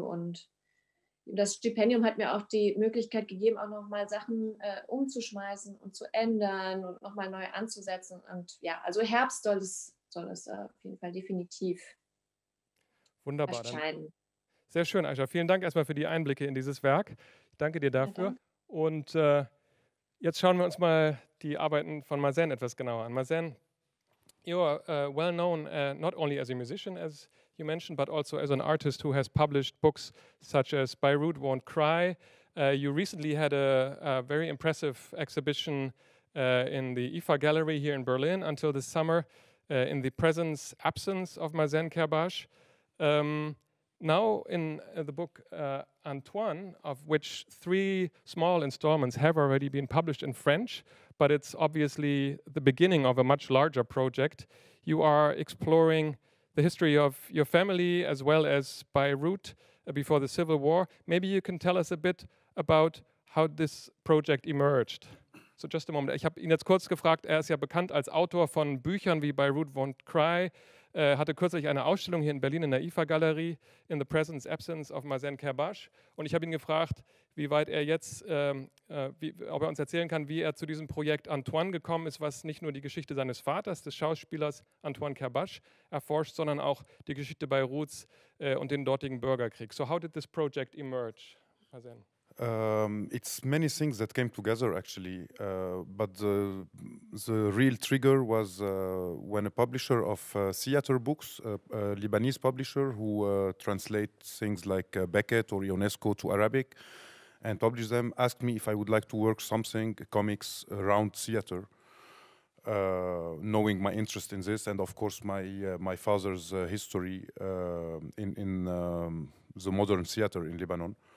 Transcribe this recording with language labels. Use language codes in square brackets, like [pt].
[de] Und das Stipendium hat mir auch die Möglichkeit gegeben, auch nochmal Sachen umzuschmeißen und zu ändern und nochmal neu anzusetzen. Und ja, also Herbst soll es auf jeden Fall definitiv wunderbar erscheinen. Dann. Sehr schön, Aisha. Vielen Dank erstmal für die Einblicke in dieses Werk. Ich danke dir dafür. Ja, und jetzt schauen wir uns mal die Arbeiten von Mazen etwas genauer an. [en] Mazen, you're well known not only as a musician, as you mentioned, but also as an artist who has published books such as Beirut Won't Cry. You recently had a very impressive exhibition in the IFA Gallery here in Berlin until this summer in the presence, absence of Mazen Kerbash. Now in the book Antoine, of which three small installments have already been published in French, but it's obviously the beginning of a much larger project. You are exploring the history of your family as well as Beirut before the Civil War. Maybe you can tell us a bit about how this project emerged. So just a moment. [de] Ich habe ihn jetzt kurz gefragt. Er ist ja bekannt als Autor von Büchern wie Beirut Won't Cry. Hatte kürzlich eine Ausstellung hier in Berlin in der IFA-Galerie in the presence, absence of Mazen Kerbash. Und ich habe ihn gefragt, wie weit er jetzt, ob er uns erzählen kann, wie er zu diesem Projekt Antoine gekommen ist, was nicht nur die Geschichte seines Vaters, des Schauspielers Antoine Kerbash, erforscht, sondern auch die Geschichte Beiruts und den dortigen Bürgerkrieg. [en] So how did this project emerge, Mazen? It's many things that came together, actually, but the real trigger was when a publisher of theater books, a Lebanese publisher who translates things like Beckett or Ionesco to Arabic and publish them, asked me if I would like to work something, comics, around theater, knowing my interest in this and, of course, my father's history in the modern theater in Lebanon.